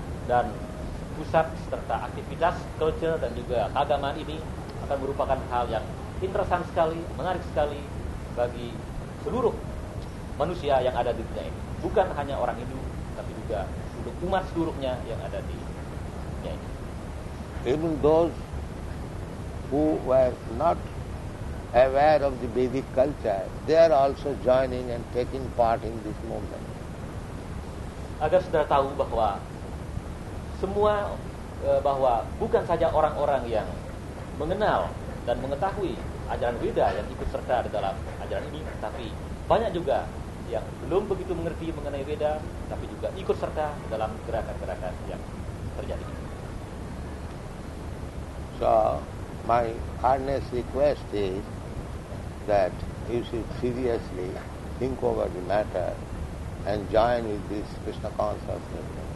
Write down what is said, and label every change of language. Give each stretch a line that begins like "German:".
Indonesian: Dan pusat serta aktivitas culture dan juga keagamaan ini akan merupakan hal yang interesan sekali, menarik sekali bagi seluruh manusia yang ada di dunia ini, bukan hanya orang Hindu, tapi juga untuk umat seluruhnya yang ada di dunia ini.
English: Even those who were not aware of the Vedic culture, they are also joining and taking part in this movement.
Indonesian: Agar saudara tahu bahwa semua, bahwa bukan saja orang-orang yang mengenal dan mengetahui ajaran Weda yang ikut serta di dalam ajaran ini, tapi banyak juga yang belum begitu mengerti mengenai Weda, tapi juga ikut serta dalam gerakan-gerakan yang terjadi.
English: So, my earnest request is that you should seriously think over the matter and join with this Krishna consciousness.